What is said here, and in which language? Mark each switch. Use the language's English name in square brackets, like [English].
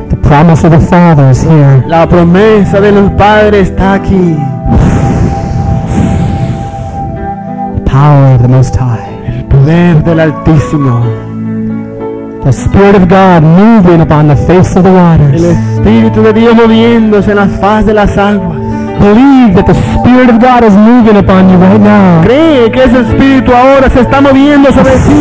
[English] the promise of the Father is here. [Spanish] La promesa de los padres está aquí. [English] The power of the Most High. [Spanish] El poder del Altísimo. [English] The Spirit of God moving upon the face of the waters. [Spanish] El Espíritu de Dios moviéndose en la faz de las aguas. [English] Believe that the Spirit of God is moving upon you right now. [Spanish] Cree que ese Espíritu ahora se está moviendo sobre ti.